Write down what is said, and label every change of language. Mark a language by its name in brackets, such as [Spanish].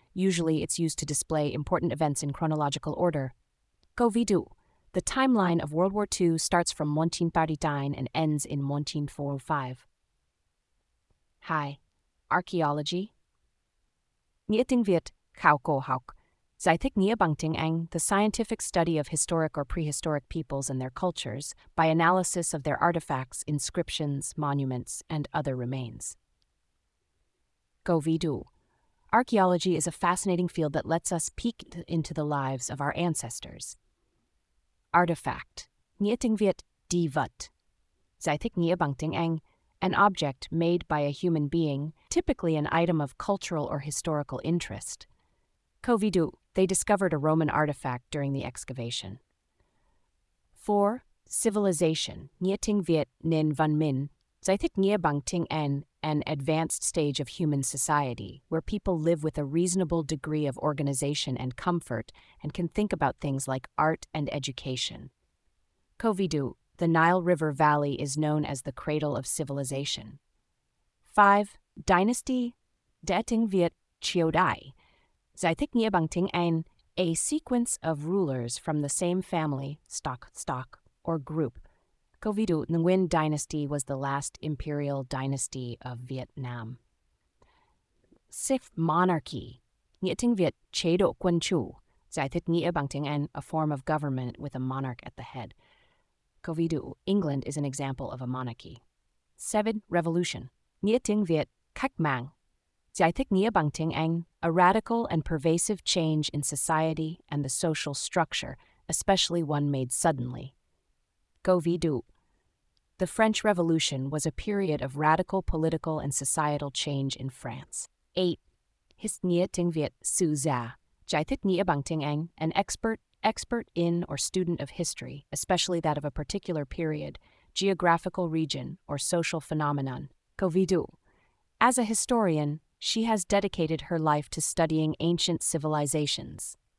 [English] Usually it's used to display important events in chronological order. [Vietnamese] Câu ví dụ. [English] The timeline of World War II starts from 1939 and ends in 1945. 2. Archaeology. [Vietnamese] Nghĩa tiếng Việt, khảo cổ học. Giải thích nghĩa bằng tiếng Anh, [English] the scientific study of historic or prehistoric peoples and their cultures by analysis of their artifacts, inscriptions, monuments, and other remains. [Vietnamese] Câu ví dụ. [English] Archaeology is a fascinating field that lets us peek into the lives of our ancestors. Artifact. [Vietnamese] Nghĩa tiếng Việt, di vật. Giải thích nghĩa bằng tiếng Anh, [English] an object made by a human being, typically an item of cultural or historical interest. [Vietnamese] Câu ví dụ, [English] they discovered a Roman artifact during the excavation. 4. Civilization. [Vietnamese] Nghĩa tiếng Việt, nền văn minh. Giải thích nghĩa bằng tiếng Anh, [English] an advanced stage of human society, where people live with a reasonable degree of organization and comfort and can think about things like art and education. [Vietnamese] Câu ví dụ, [English] the Nile River Valley is known as the cradle of civilization. 5. Dynasty. [Vietnamese] Đại tiếng Việt, triều đại. Giải thích nghĩa bằng tiếng Anh, [English] a sequence of rulers from the same family, stock, or group. [Vietnamese] Câu ví dụ, [English] Nguyên dynasty was the last imperial dynasty of Vietnam. 6. Monarchy. [Vietnamese] Nghĩa tiếng Việt, chế độ quân chủ. Giải thích nghĩa bằng tiếng Anh, [English] a form of government with a monarch at the head. [Vietnamese] Câu ví dụ, [English] England is an example of a monarchy. 7. Revolution. [Vietnamese] Nghĩa tiếng Việt, cách mạng. Giải thích nghĩa bằng tiếng Anh, [English] a radical and pervasive change in society and the social structure, especially one made suddenly. [Vietnamese] Câu ví dụ. [English] The French Revolution was a period of radical political and societal change in France. 8. [Vietnamese] His nghĩa tiếng Việt, sử gia. Giải thích nghĩa bằng tiếng Anh, [English] an expert in or student of history, especially that of a particular period, geographical region, or social phenomenon. [Vietnamese] Câu ví dụ. [English] As a historian, she has dedicated her life to studying ancient civilizations.